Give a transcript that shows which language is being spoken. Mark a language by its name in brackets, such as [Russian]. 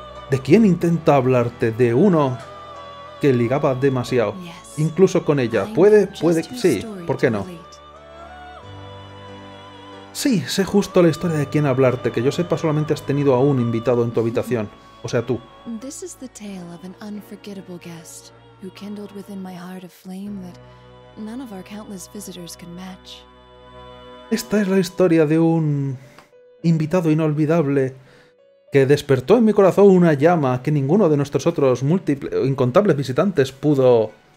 [Spanish] ¿De quién intenta hablarte? De uno... que ligaba demasiado. Incluso con ella. Puede... Sí, ¿por qué no? Sí, sé justo la historia de quién hablarte. Que yo sepa, solamente has tenido a un invitado en tu habitación. O sea, tú. [English] This is the tale of an unforgettable guest who kindled within my heart a flame that none of our countless visitors can match. [Spanish] Esta es la historia de un invitado inolvidable que despertó en mi corazón una llama que ninguno de nuestros otros incontables visitantes pudo...